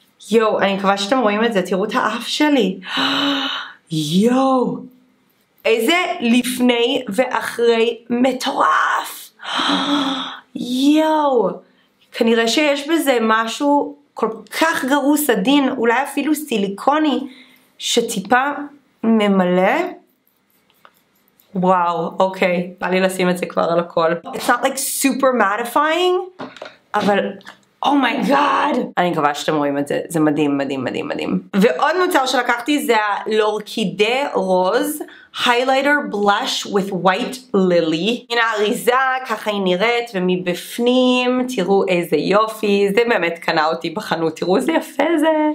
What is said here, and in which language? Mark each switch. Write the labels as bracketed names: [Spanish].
[Hebrew] יו, אני מקווה שאתם רואים את זה, תראו את האף שלי. יו, איזה לפני ואחרי מטורף. יו, כנראה שיש בזה משהו כל כך גרוס עדין, אולי אפילו סיליקוני, שטיפה ממלא. וואו, אוקיי, בא לי לשים את זה כבר על הכל. [English] It's not like super mattifying, אבל... Oh my god! [Hebrew] אני מקווה שאתם רואים את זה, זה מדהים, מדהים, מדהים, מדהים. ועוד מוצר שלקחתי זה הלורקידה רוז, [English] highlighter blush with white lily. [Hebrew] הנה האריזה, ככה היא נראית, ומבפנים, תראו איזה יופי, זה באמת קנה אותי בחנות, תראו איזה יפה זה.